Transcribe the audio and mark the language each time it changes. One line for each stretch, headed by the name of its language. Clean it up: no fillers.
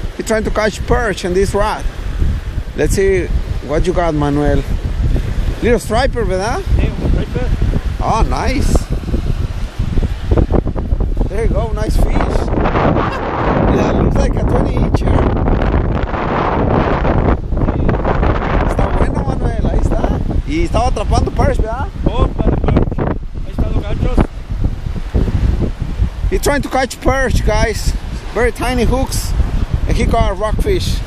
English: He's trying to catch perch in this rod. Let's see what you got, Manuel. Little striper, ¿verdad? Oh, nice. There you go, nice fish. Yeah, looks like a 20 incher.
Spanish: Está bueno, Manuel, ahí está. Y estaba atrapando perch, ¿verdad? Oh, para perch. Ahí están los ganchos.
English: He's trying to catch perch, guys. Very tiny hooks. And he caught a rockfish.